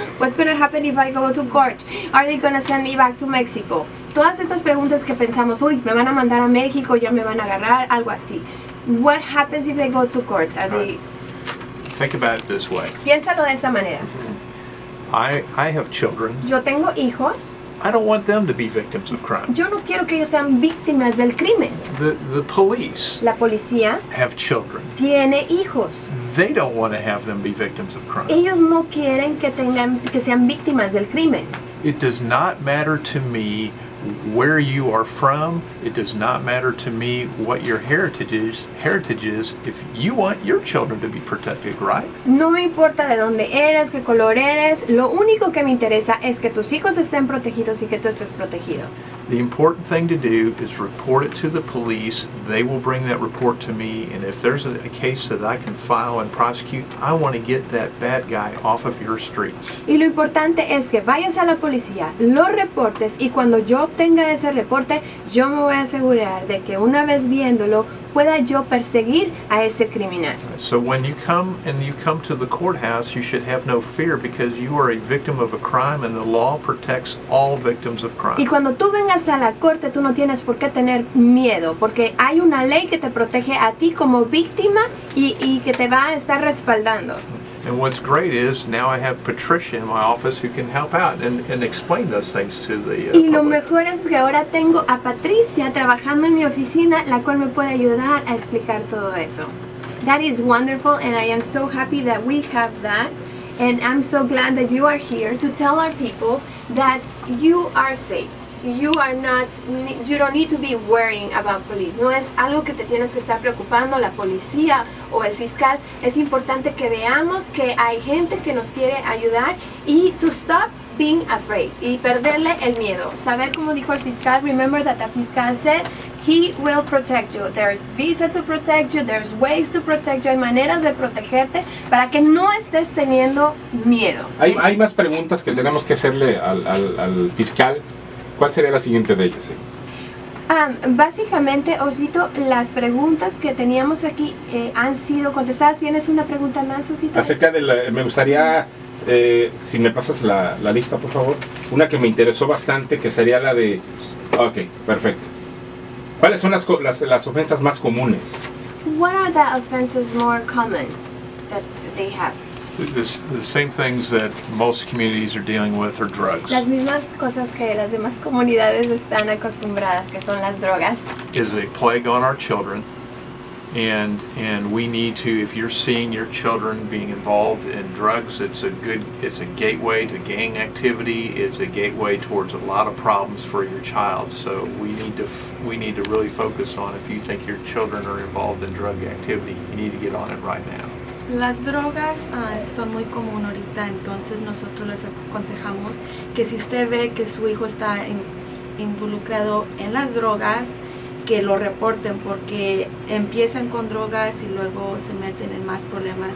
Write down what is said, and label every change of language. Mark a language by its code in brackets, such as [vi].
[en] What's going to happen if I go to court? Are they going to send me back to Mexico? [es] Todas estas preguntas que pensamos, uy, me van a mandar a México, ya me van a agarrar, algo así. [en] What happens if they go to court? Think about it this way. [es] Piénsalo de esta manera. [en] I have children. [es] Yo tengo hijos. [en] I don't want them to be victims of crime. [es] Yo no quiero que ellos sean víctimas del crimen. [en] The police. [es] La policía. [en] Have children. [es] Tiene hijos. [en] They don't want to have them be victims of crime. [es] Ellos no quieren que sean víctimas del crimen. [en] It does not matter to me where you are from. It does not matter to me what your heritage is. If you want your children to be protected, right? [es] No me importa de dónde eres, qué color eres. Lo único que me interesa es que tus hijos estén protegidos y que tú estés protegido. [en] The important thing to do is report it to the police. They will bring that report to me, and if there's a case that I can file and prosecute, I want to get that bad guy off of your streets. [es] Y lo importante es que vayas a la policía, lo reportes, y cuando yo obtenga ese reporte, yo me voy a asegurar de que una vez viéndolo, pueda yo perseguir a ese criminal. [en] So when you come and you come to the courthouse, you should have no fear because you are a victim of a crime and the law protects all victims of crime. [es] Y cuando tú vengas a la corte, tú no tienes por qué tener miedo porque hay una ley que te protege a ti como víctima y que te va a estar respaldando. [en] And what's great is now I have Patricia in my office who can help out and explain those things to the [es] y [en] public. [es] Lo mejor es que ahora tengo a Patricia trabajando en mi oficina, la cual me puede ayudar a explicar todo eso. [en] That is wonderful, and I am so happy that we have that, and I'm so glad that you are here to tell our people that you are safe. You don't need to be worrying about police. [es] No es algo que te tienes que estar preocupando, la policía o el fiscal. Es importante que veamos que hay gente que nos quiere ayudar y [en] to stop being afraid [es] y perderle el miedo. Saber como dijo el fiscal, [en] remember that the fiscal said, he will protect you. There's visa to protect you, there's ways to protect you. [es] Hay maneras de protegerte para que no estés teniendo miedo. Hay más preguntas que tenemos que hacerle al fiscal. ¿Cuál sería la siguiente de ellas? Básicamente, Osito, las preguntas que teníamos aquí han sido contestadas. ¿Tienes una pregunta más, Osito? Acerca de la... Me gustaría, si me pasas la lista, por favor, una que me interesó bastante, que sería la de... Ok, perfecto. ¿Cuáles son las ofensas más comunes? [en] What are the offenses more common that they have? The same things that most communities are dealing with are drugs. [es] Las mismas cosas que las demás comunidades están acostumbradas, que son las drogas. [en] Is a plague on our children, and we need to. If you're seeing your children being involved in drugs, it's a gateway to gang activity. It's a gateway towards a lot of problems for your child. So we need to really focus on. If you think your children are involved in drug activity, you need to get on it right now. [es] Las drogas son muy común ahorita, entonces nosotros les aconsejamos que si usted ve que su hijo está involucrado en las drogas, que lo reporten, porque empiezan con drogas y luego se meten en más problemas.